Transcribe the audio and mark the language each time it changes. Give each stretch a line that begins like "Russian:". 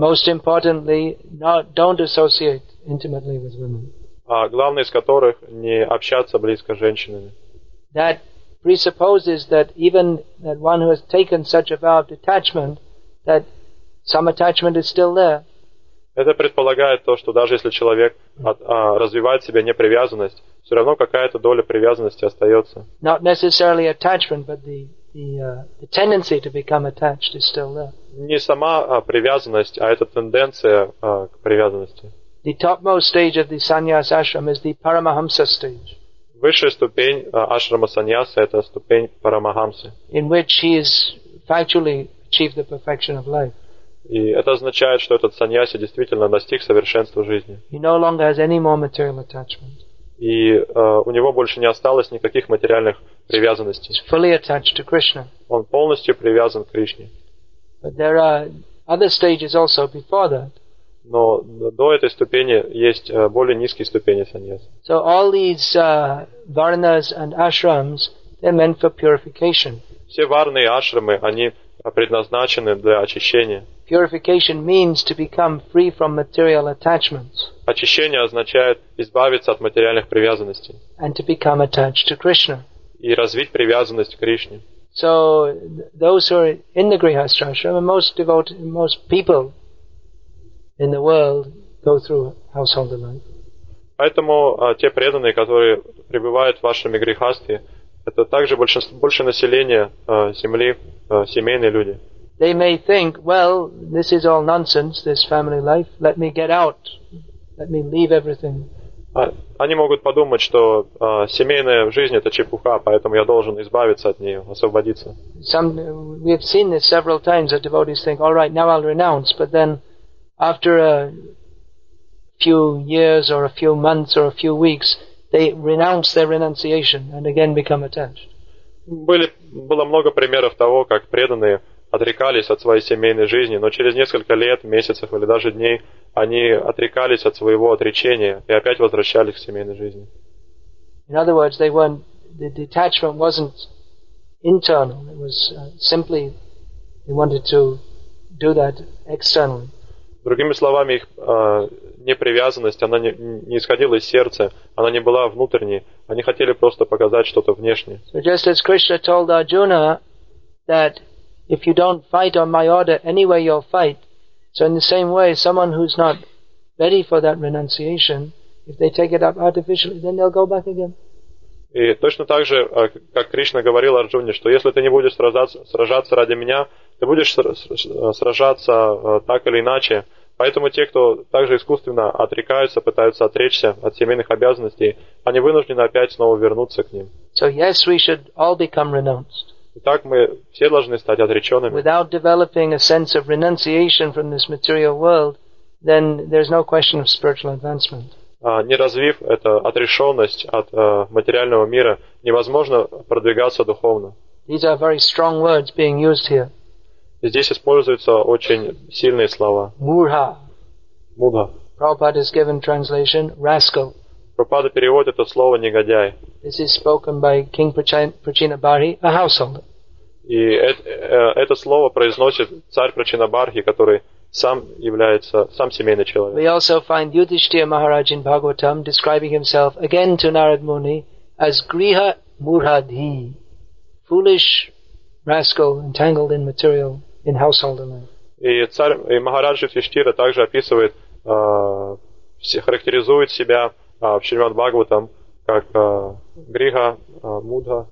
English: Most importantly, don't associate intimately with women.
Russian: А главное из которых — не общаться близко с женщинами.
English: That presupposes that even that one who has taken such a vow of detachment, that some attachment is still there.
Russian: Это предполагает то, что даже если человек развивает в себе непривязанность, все равно какая-то доля привязанности остается.
English: Not necessarily attachment, but the tendency to become attached is still there.
Russian: Не сама привязанность, а это тенденция к привязанности.
English: The topmost stage of the sannyas ashram is the paramahamsa stage.
Russian: Высшая ступень ашрама саньяса — это ступень парамахамсы.
English: In which he has factually achieved the perfection of life.
Russian: И это означает, что этот саньяси действительно достиг совершенства жизни.
English: He no longer has any more material attachment.
Russian: И у него больше не осталось никаких материальных привязанностей.
English: He's fully attached to Krishna.
Russian: Он полностью привязан к Кришне.
English: But there are other stages also before that.
Russian: Но до этой ступени есть более низкие ступени саньяс.
English: So all these varnas and ashrams, they're meant for purification.
Russian: Все варны и ашрамы, они предназначены для очищения.
English: Purification means to become free from material attachments.
Russian: Очищение означает избавиться от материальных привязанностей.
English: And to become attached to Krishna.
Russian: И развить привязанность к Кришне.
English: So those who are in the Grihastha ashram, most devotees, most people in the world go through household life.
Russian: Поэтому те преданные, которые пребывают в вашем грихастхе, это также больше населения земли, семейные люди.
English: They may think, well, this is all nonsense, this family life. Let me get out. Let me leave everything.
Russian: Они могут подумать, что семейная жизнь — это чепуха, поэтому я должен избавиться от нее, освободиться.
English: We have seen this several times, that devotees think, all right, now I'll renounce. But then after a few years or a few months or a few weeks, they renounce their renunciation and again become attached.
Russian: Было много примеров того, как преданные отрекались от своей семейной жизни, но через несколько лет, месяцев или даже дней они отрекались от своего отречения и опять возвращались к семейной жизни.
English: In other words, they weren't, the detachment wasn't internal. It was simply they wanted to do that externally.
Russian: Другими словами, их непривязанность, она не исходила из сердца, она не была внутренней. Они хотели просто показать что-то внешнее.
English: So just as Krishna told Arjuna that if you don't fight on my order, anyway you'll fight. So in the same way, someone who's not ready for that renunciation, if they take it up artificially, then they'll go back again.
Russian: И точно так же, как Кришна говорил Арджуне, что если ты не будешь сражаться ради меня, ты будешь сражаться так или иначе. Поэтому те, кто также искусственно отрекаются, пытаются отречься от семейных обязанностей, они вынуждены опять снова вернуться к ним.
English: So yes, we should all become renounced.
Russian: Итак, мы все должны стать отреченными.
English: Without developing a sense of renunciation from this material world, then there's no question of spiritual advancement.
Russian: Не развив эту отрешенность от материального мира, невозможно продвигаться духовно.
English: These are very strong words being used here.
Russian: Здесь используются очень сильные слова. Мурха. Мурха.
English: Prabhupada has given translation rascal.
Russian: Прабхупада переводит это слово «негодяй».
English: This is spoken by King Prachinabarhi, a householder.
Russian: И это слово произносит царь Прачинабархи, который сам является сам семейный человек.
English: We also find Yudhishthira Maharaj in Bhagavatam describing himself again to Narad Muni as Griha Murhadhi, foolish rascal entangled in material in household life.
Russian: И царь, и Махараджа Юдхиштхира также описывает, характеризует себя в Шримад Бхагаватам как Гриха Мудха.